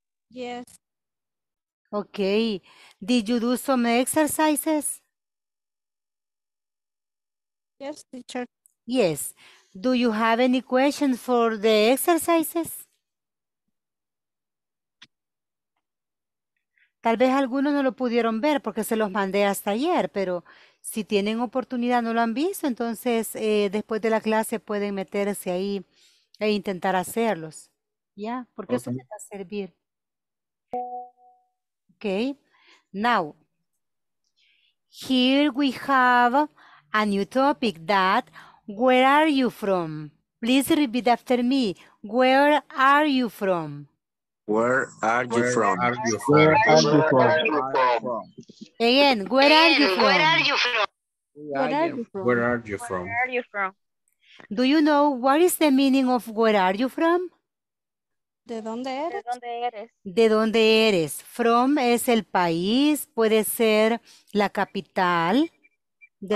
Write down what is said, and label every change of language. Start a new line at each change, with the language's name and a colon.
English: Yes. Okay. Did you do some exercises? Yes, teacher. Yes. Do you have any questions for the exercises?
Spanish: Tal vez algunos no lo pudieron ver porque se los mandé hasta ayer, pero si tienen oportunidad, no lo han visto, entonces después de la clase pueden meterse ahí e intentar hacerlos. ¿Ya? Porque eso les va a servir.
English: Okay. Now, here we have a new topic that. Where are you from? Please repeat after me. Where are you from? Where are you Where from? are you from? Again, where are you from? Where are you Where from? are you Where from? are you from? Do you know what is the meaning of where are you from?
Spanish: ¿De dónde ¿De eres? dónde eres? ¿De dónde eres? From es el país, puede ser la capital de